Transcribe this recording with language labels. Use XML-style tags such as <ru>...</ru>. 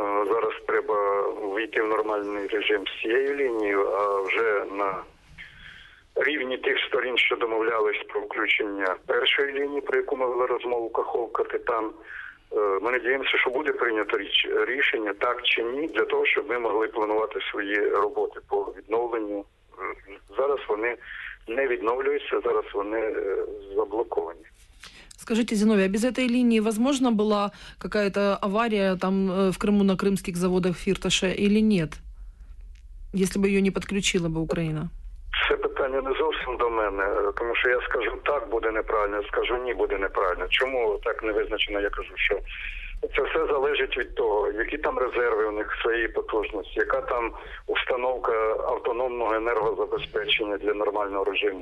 <uk>Зараз треба вийти в нормальний режим з цією лінією, а вже на рівні тих сторін, що домовлялись про включення першої лінії, про яку ми вели розмову, Каховка-Титан, ми надіємося, що буде прийнято рішення, так чи ні, для того, щоб ми могли планувати свої роботи по відновленню. Зараз вони не відновлюються, зараз вони заблоковані.</uk> <ru>Скажите, Зиновий, а без этой линии возможна была какая-то авария там в Крыму на крымских заводах Фірташа или нет, если бы ее не подключила бы Украина? Это</ru> <uk>питання не зовсім до мене, тому що я скажу так, буде неправильно, скажу ні, буде неправильно. Чому так не визначено, я кажу, що це все залежить від того, які там резерви у них своєї потужності, яка там установка автономного енергозабезпечення для нормального режиму.</uk>